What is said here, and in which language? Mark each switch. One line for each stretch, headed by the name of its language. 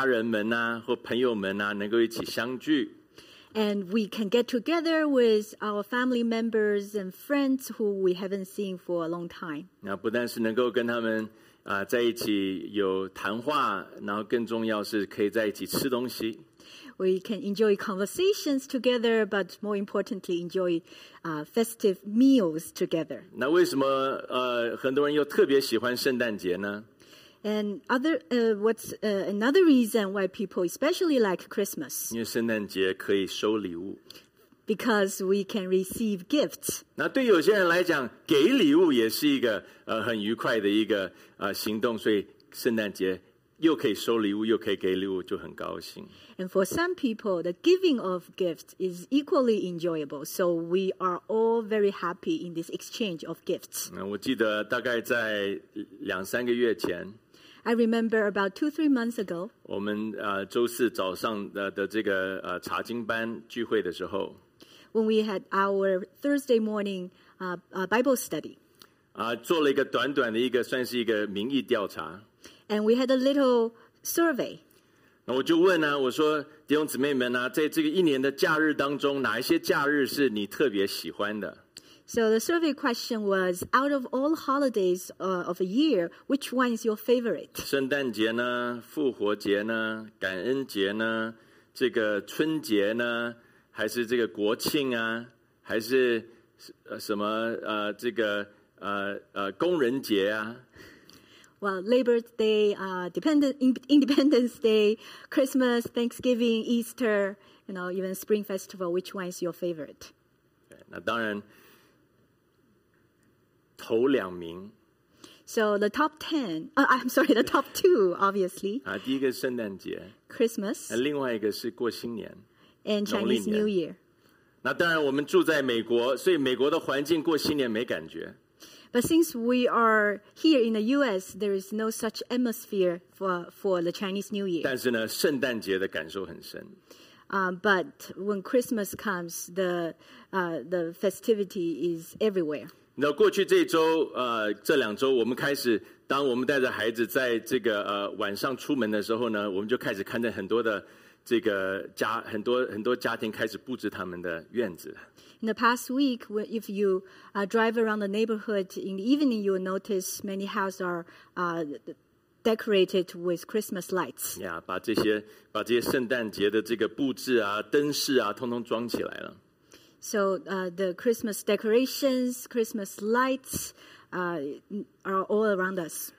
Chinese: 对,我们可以跟一些许久没有碰到的家人们啊,或朋友们啊,能够一起相聚。
English: And we can get together with our family members and friends who we haven't seen for a long time.
Chinese: 那不但是能够跟他们, 在一起有谈话, 然后更重要是可以在一起吃东西。
English: We can enjoy conversations together, but more importantly, enjoy festive meals together.
Chinese: 那为什么, 很多人又特别喜欢圣诞节呢?
English: And other, what's another reason why people especially like Christmas?
Chinese: 因为圣诞节可以收礼物。
English: Because we can receive gifts.
Chinese: 那对有些人来讲, 给礼物也是一个, 很愉快的一个, 行动, 所以圣诞节又可以收礼物,又可以给礼物,就很高兴。
English: And for some people, the giving of gifts is equally enjoyable. So we are all very happy in this exchange of gifts.
Chinese: 我记得大概在两三个月前,
English: I remember about 2-3 months ago.
Chinese: 我们, 周四早上的这个, 查经班聚会的时候,
English: when we had our Thursday morning Bible study.
Chinese: 做了一个短短的一个算是一个民意调查。
English: And we had a little survey.
Chinese: 那我就问啊, 我说, 弟兄姊妹们啊, 在这个一年的假日当中, 哪一些假日是你特别喜欢的?
English: So the survey question was, out of all holidays of a year, which one is your favorite?
Chinese: 圣诞节呢, 复活节呢, 感恩节呢, 这个春节呢, 还是这个国庆啊, 还是什么, 这个, 工人节啊?
English: Well, Labor Day, Independence Day, Christmas, Thanksgiving, Easter, you know, even Spring Festival, which one is your favorite?
Chinese: 那当然, 头两名,
English: so the top ten, I'm sorry, the top two, obviously.
Chinese: 第一个圣诞节,
English: Christmas.
Chinese: 另外一个是过新年,
English: and Chinese New Year.
Chinese: 那当然我们住在美国, 所以美国的环境过新年没感觉。
English: But since we are here in the U.S., there is no such atmosphere for the Chinese New Year.
Chinese: 但是呢, 圣诞节的感受很深。
English: But when Christmas comes, the festivity is everywhere.
Chinese: 那过去这一周, 这两周, 我们开始, 当我们带着孩子在这个, 晚上出门的时候呢, 我们就开始看见很多的这个, 家, 很多, 很多家庭开始布置他们的院子。
English: In the past week, if you drive around the neighborhood in the evening, you will notice many houses are decorated with Christmas lights.
Chinese: Yeah, 把这些圣诞节的这个布置啊, 灯饰啊, 通通装起来了。
English: So the Christmas decorations, Christmas lights are all around us.